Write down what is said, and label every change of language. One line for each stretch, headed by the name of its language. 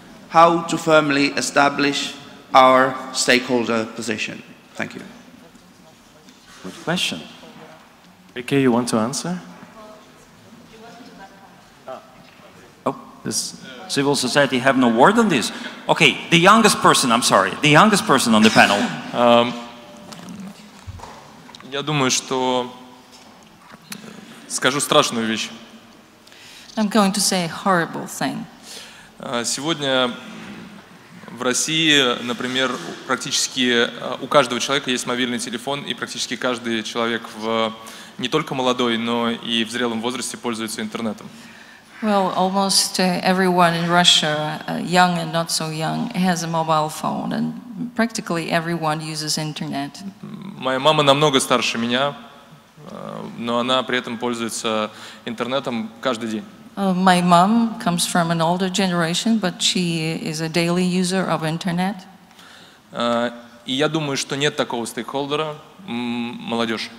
English: How to firmly establish our stakeholder position? Thank you. Good question. Okay, you want to answer? Does civil society have no word on this? Okay, the youngest person, I'm sorry, the youngest person on the panel.
Russian: Я думаю, что скажу страшную вещь.
English: I'm going to say a horrible thing.
Russian: Сегодня в России, например, практически у каждого человека есть мобильный телефон, и практически каждый человек в не только молодой, но и в зрелом возрасте пользуется интернетом.
English: Well, almost everyone in Russia, young and not so young, has a mobile phone, and practically everyone uses internet.
Russian: Моя мама намного старше меня, но она при этом пользуется интернетом каждый день.
English: My mom comes from an older generation, but she is a daily user of internet.
Russian: И я думаю, что нет такого стейкхолдера, молодежь.